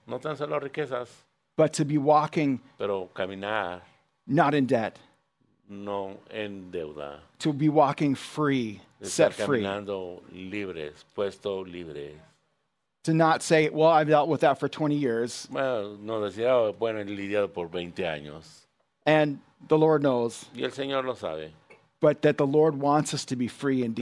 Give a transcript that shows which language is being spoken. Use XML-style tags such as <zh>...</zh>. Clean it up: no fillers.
<es>No tan solo riquezas.</es> <en>But to be walking.</en> <es>Pero caminar.</es> <en>Not in debt.</en> <es>No en deuda.</es> <en>To be walking free, set free.</en> <es>Caminando libres, puesto libre.</es> <en>To not say, well, I've dealt with that for 20 years.</en> <es>Bueno, no decía, oh, bueno, he lidiado por 20 años.</es> <en>And the Lord knows.</en> <es>Y el Señor lo sabe.</es> <en>But that the Lord wants us to be free indeed.</en>